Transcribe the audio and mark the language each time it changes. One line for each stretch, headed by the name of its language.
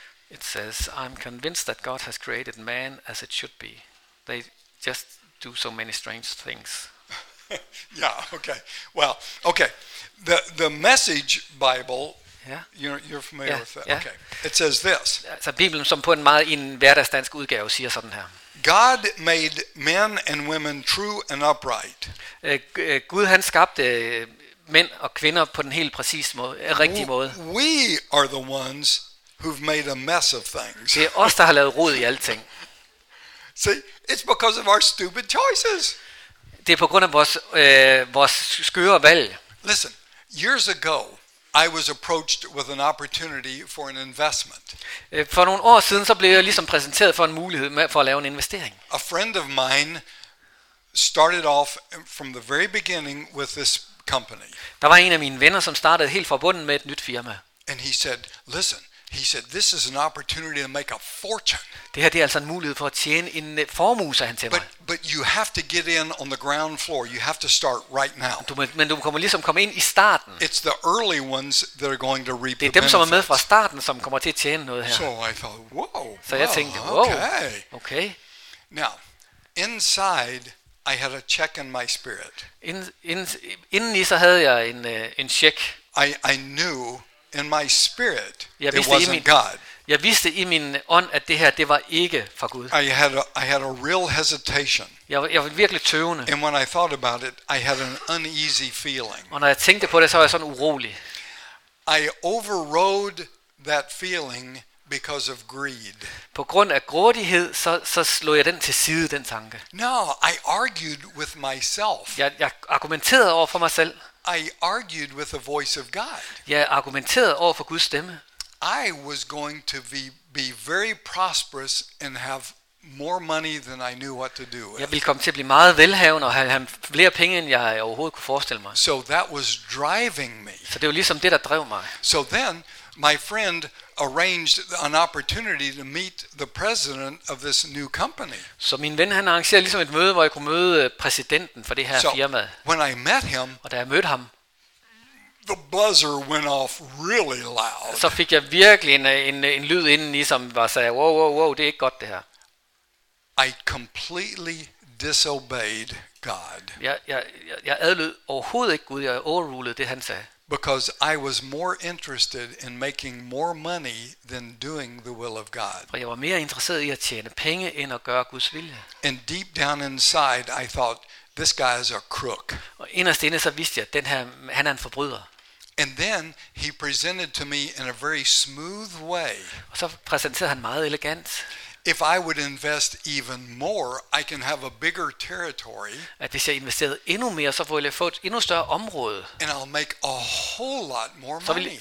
English: It says, I'm convinced that God has created man as it should be. They just do so many strange things. Yeah, okay. Well, okay. The Message Bible. Yeah. You're familiar with that. Yeah. Okay. It says this.
Danish: Altså Bibelen som på en meget en hverdagsdansk udgave siger sådan her.
English: God made men and women true and upright.
Danish: Gud han skabte mænd og kvinder på den helt præcis måde, rigtige måde.
English: We are the ones who've made a mess of things.
Danish: Det er os der har lavet rod i alting.
English: See, it's because of our stupid choices.
Danish: Det er på grund af vores skøre valg.
English: Listen, years ago, I was approached with an opportunity for an investment.
Danish: For nogle år siden så blev jeg ligesom præsenteret for en mulighed for at lave en investering.
English: A friend of mine started off from the very beginning with this company.
Danish: Der var en af mine venner som startede helt fra bunden med et nyt firma.
English: And he said, "Listen, he said, this is an opportunity to make a fortune."
Danish: Det her det er altså en mulighed for at tjene en formue, sagde han til mig.
English: But you have to get in on the ground floor. You have to start right now.
Danish: Men du kommer ligesom komme ind i starten.
English: It's the early ones that are going to reap the
Danish: benefits. Det er dem, som er med fra starten, som kommer til at tjene noget her.
English: So I thought, whoa.
Danish: Så jeg tænkte, whoa. Okay.
English: Now, inside, I had a check in my spirit.
Danish: Indeni så havde jeg en check.
English: I knew. In my spirit, it wasn't God.
Danish: Jeg vidste i min ånd, at det her det var ikke fra Gud.
English: I had a real hesitation.
Danish: Jeg var virkelig tøvende.
English: And when I thought about it, I had an uneasy feeling.
Danish: Og når jeg tænkte på det, så var jeg sådan urolig.
English: I overrode that feeling because of greed.
Danish: På grund af grådighed, så slog jeg den til side, den tanke.
English: No, I argued with myself.
Danish: Jeg argumenterede over for mig selv.
English: I argued with the voice of God.
Danish: Jeg argumenterede over for Guds stemme.
English: I was going to be very prosperous and have more money than I knew what to do with.
Danish: Jeg ville komme til at blive meget velhavende og have flere penge end jeg overhovedet kunne forestille mig.
English: So that was driving me.
Danish: Så det var ligesom det der drev mig.
English: So then my friend arranged an opportunity to meet the president of this new company.
Danish: Så min ven han arrangerede ligesom et møde hvor jeg kunne møde præsidenten for det her firma.
English: When I met him,
Danish: og da jeg mødte ham,
English: the buzzer went off really loud.
Danish: Så fik jeg virkelig en lyd inden i som var sagde wow, det er ikke godt det her.
English: I completely disobeyed God.
Danish: Jeg adlød overhovedet ikke Gud. Jeg overrulede det han sagde.
English: Because I was more interested in making more money than doing the will of God.
Danish: For jeg var mere interesseret i at tjene penge end at gøre Guds vilje.
English: And deep down inside I thought this guy is a crook.
Danish: Og inderst inde så vidste jeg den her han er en forbryder.
English: And then he presented to me in a very smooth way.
Danish: Og så præsenterede han meget elegant.
English: If I would invest even more, I can have a bigger territory.
Danish: At hvis jeg investerede endnu mere, så ville jeg få et endnu større område.
English: And I'll make a whole lot more money.